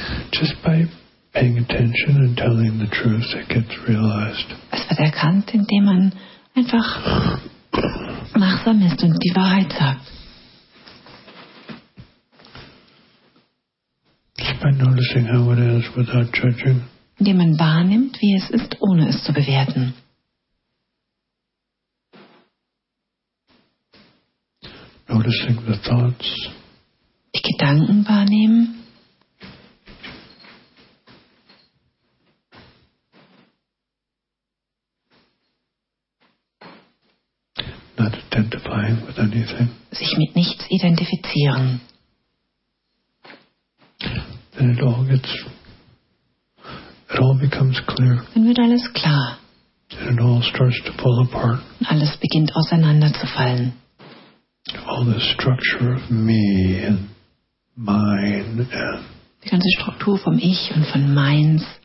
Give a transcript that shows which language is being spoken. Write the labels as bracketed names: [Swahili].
[English] just by paying attention and telling the truth, it gets realized. [German] Es wird erkannt, indem man einfach wachsam ist und die Wahrheit sagt. [English] Just by noticing how it is without judging. [German] Indem man wahrnimmt, wie es ist, ohne es zu bewerten. [English] Noticing the thoughts. [German] Die Gedanken wahrnehmen. [English] Not identifying with anything. [German] Sich mit nichts identifizieren. [English] Then it all becomes clear. [German] Dann wird alles klar. [English] And it all starts to fall apart. [German] Alles beginnt auseinanderzufallen. [English] All the structure of me and mine and [German] die ganze Struktur vom Ich und von meins.